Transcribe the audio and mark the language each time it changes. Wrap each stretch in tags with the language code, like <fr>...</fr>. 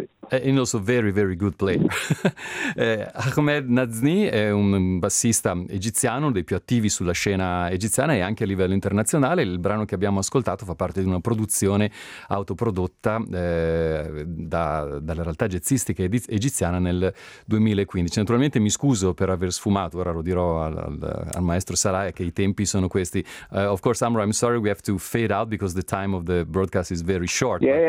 <en>and also very, very good player.</en> <it>Ahmed Nazmi è un bassista egiziano, uno dei più attivi sulla scena egiziana e anche a livello internazionale. Il brano che abbiamo ascoltato fa parte di una produzione autoprodotta dalla realtà jazzistica egiziana nel 2015. Naturalmente mi scuso per aver sfumato, ora lo dirò al maestro Salah che i tempi sono questi.</it> <en>Of course, Amro, I'm sorry we have to fade out because the time of the broadcast is very short.</en>